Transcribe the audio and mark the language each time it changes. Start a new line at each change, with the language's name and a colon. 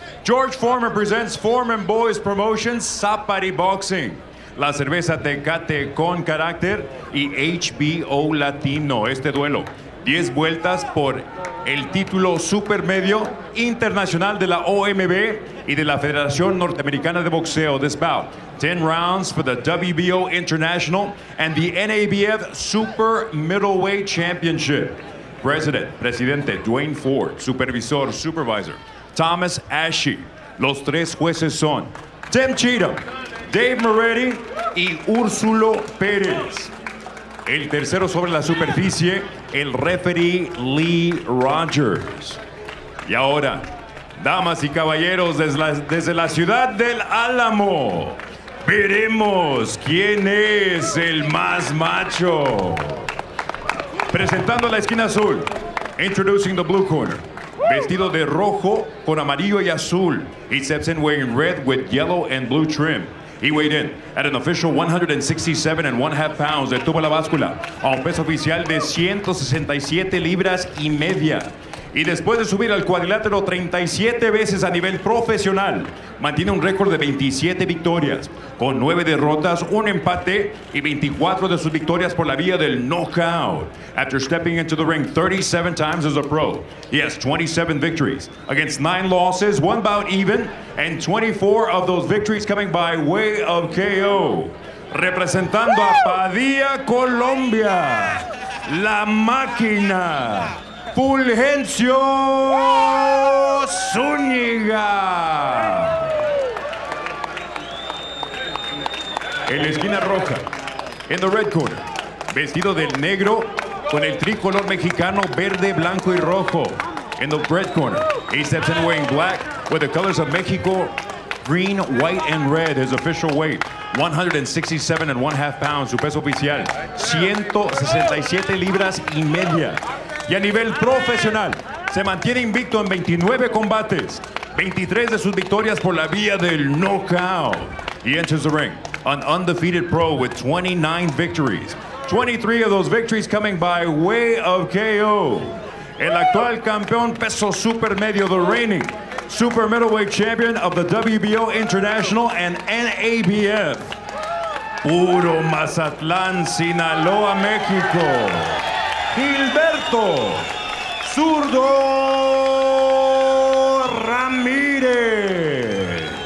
English: George Foreman presents Foreman Boys Promotions, Zapari Boxing.
Spanish: La cerveza Tecate con carácter y HBO Latino. Este duelo, 10 vueltas por el título supermedio internacional de la OMB y de la Federación Norteamericana de Boxeo.
English: This bout, 10 rounds for the WBO International and the NABF Super Middleweight Championship.
Spanish: Presidente Dwayne Ford, supervisor, supervisor, Thomas Ashe. Los tres jueces son Tim Cheatham, Dave Moretti y Úrsulo Pérez. El tercero sobre la superficie, el referee Lee Rogers. Y ahora, damas y caballeros, desde la ciudad del Álamo, veremos quién es el más macho. Presentando la esquina azul,
English: introducing the blue corner.
Spanish: Vestido de rojo con amarillo y azul.
English: He steps in wearing red with yellow and blue trim. He weighed in at an official 167.5 pounds.
Spanish: Detuvo la báscula a un peso oficial de 167 libras y media. Y después de subir al cuadrilátero 37 veces a nivel profesional, mantiene un récord de 27 victorias, con 9 derrotas, un empate y 24 de sus victorias por la vía del knockout.
English: After stepping into the ring 37 times as a pro, he has 27 victories against 9 losses, 1 bout even, and 24 of those victories coming by way of KO.
Spanish: Representando a Padilla, Colombia, la máquina, Fulgencio Zúñiga. En la esquina roja, en
English: the red corner,
Spanish: vestido del negro con el tricolor mexicano verde, blanco y rojo.
English: En the red corner, he steps in wearing black with the colors of Mexico, green, white and red. His official weight, 167.5 pounds.
Spanish: Su peso oficial, 167 libras y media. Y a nivel profesional, se mantiene invicto en 29 combates, 23 de sus victorias por la vía del knockout.
English: He enters the ring, an undefeated pro with 29 victories, 23 of those victories coming by way of KO.
Spanish: El actual campeón peso supermedio,
English: the reigning super middleweight champion of the WBO International and NABF,
Spanish: puro Mazatlán, Sinaloa, México, Gilberto Zurdo Ramírez.